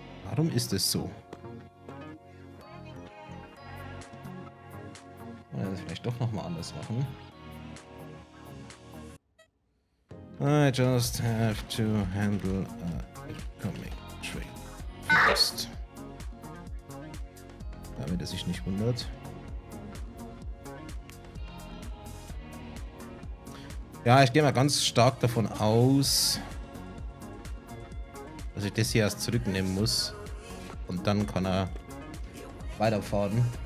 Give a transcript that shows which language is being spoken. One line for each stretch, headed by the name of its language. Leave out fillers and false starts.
German: Warum ist es so? Vielleicht doch nochmal anders machen.
English: I just have to handle a coming train first.
German: Damit er sich nicht wundert. Ja, ich gehe mal ganz stark davon aus, dass ich das hier erst zurücknehmen muss. Und dann kann er weiterfahren.